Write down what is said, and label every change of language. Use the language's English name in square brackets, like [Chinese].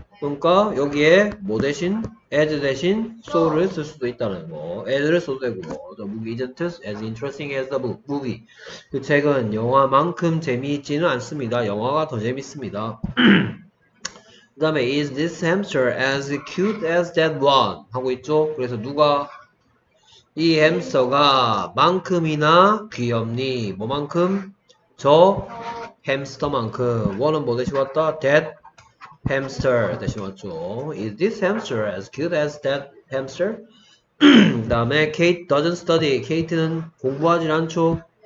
[Korean] 그러니까 여기에 뭐 대신, as 대신 so를 쓸 수도 있다는 거. as를 써도 되고. [English] The movie isn't as interesting as the book. Movie. [Korean] 그 책은 영화만큼 재미있지는 않습니다. 영화가 더 재밌습니다. 그 다음에 [English] is this hamster as cute as that one [Korean] 하고 있죠. 그래서 누가 이 햄스터가 만큼이나 귀엽니 뭐만큼 저 햄스터만큼 one은 뭐 대신 왔다 that hamster 대신 왔죠. [English] is this hamster as cute as that hamster [Korean] 그 다음에 [English] Kate doesn't study. [Korean] 케이트는 공부하지 않죠.